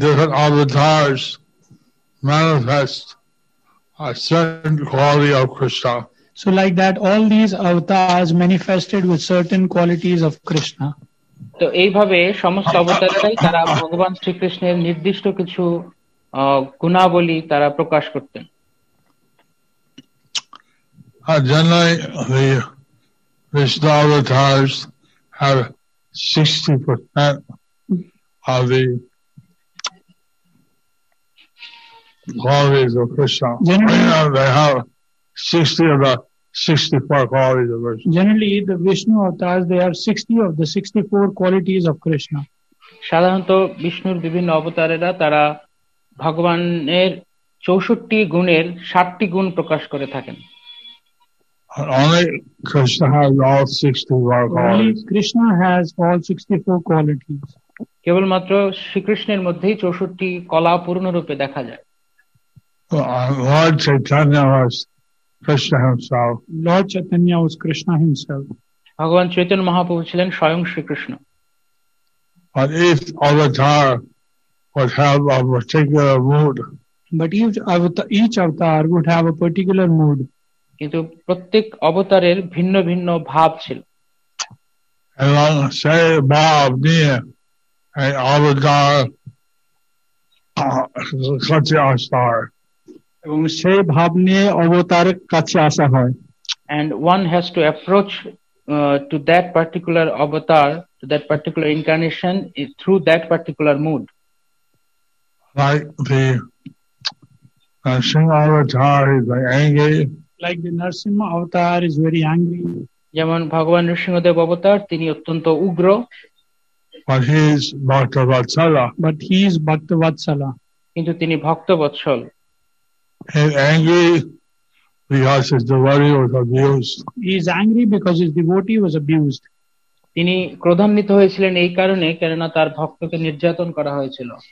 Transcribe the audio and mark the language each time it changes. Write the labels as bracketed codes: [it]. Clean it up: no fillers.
[en] A certain quality of Krishna. So like that, all these avatars manifested with certain qualities of Krishna. [bn] So এইভাবে সমস্ত অবতারেরাই তারা ভগবান শ্রীকৃষ্ণের নির্দিষ্ট কিছু গুণাবলী তারা প্রকাশ করতেন। [en] Generally, the Krishna avatars have 60% of the qualities of Krishna. They have 60 of the 64 qualities of Krishna. Generally, the Vishnu avatars, they have 60 of the 64 qualities of Krishna. [bn] সাধারণত বিষ্ণুর বিভিন্ন অবতারেরা তারা ভগবানের 64টি গুণের 60টি গুণ প্রকাশ করে থাকেন। [en] Only Krishna has all 64 qualities. Krishna has all 64 qualities. [bn] কেবলমাত্র শ্রীকৃষ্ণের মধ্যেই 64টি কলা পূর্ণরূপে দেখা যায়। [en] Lord Chaitanya was Krishna himself. Lord Chaitanya was Krishna himself. [bn] ভগবান চৈতন্য মহাপ্রভু ছিলেন স্বয়ং Shrikrishna. [en] But if avatar would have a particular mood. But each avatar would have a particular mood. [bn] কিন্তু প্রত্যেক অবতারের ভিন্ন ভিন্ন ভাব ছিল। এবং সেই ভাব নিয়ে এই অবতার কাছে আসার এবং সেই ভাব নিয়ে অবতারের কাছে আসা হয়। [en] And one has to approach to that particular avatar, to that particular incarnation, through that particular mood. Like the Narsimha avatar is very angry. Like the Narsimha avatar is very angry. [bn] যেমন ভগবান নরসিংহদেব অবতার তিনি অত্যন্ত উগ্র। [en] But he is Bhaktavatsala. But he is Bhaktavatsala. [bn] কিন্তু তিনি ভক্তবৎসল। [en] He is angry because his devotee was abused. He is angry because his devotee was abused. [bn] তিনি ক্রোধান্বিত হয়েছিলেন এই কারণে কারণ তার ভক্তকে নির্যাতন করা হয়েছিল।